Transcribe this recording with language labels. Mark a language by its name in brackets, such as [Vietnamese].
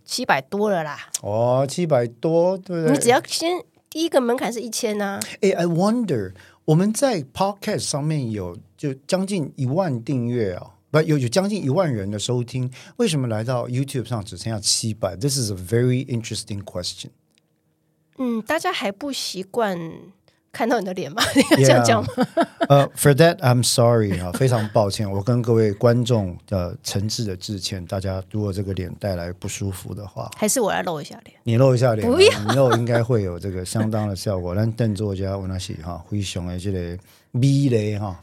[Chinese] 700多了啦。哦，700多，对不对？你只要先。第一个门槛是1000啊。 [English] I wonder， [Chinese] 我们在 podcast 上面有就将近10000订阅啊，不，有将近10000人的收听，为什么来到 YouTube 上只剩下700？ [English] This is a very interesting question。 [Chinese] 大家还不习惯看到你的脸吗？你要这样讲吗？ [English] For that I'm sorry [Chinese] 啊，非常抱歉，我跟各位观众的诚挚的致歉。大家如果这个脸带来不舒服的话，还是我来露一下脸。你露一下脸，不要，你露应该会有这个相当的效果。但邓作家我那是哈灰熊的这个咪嘞哈，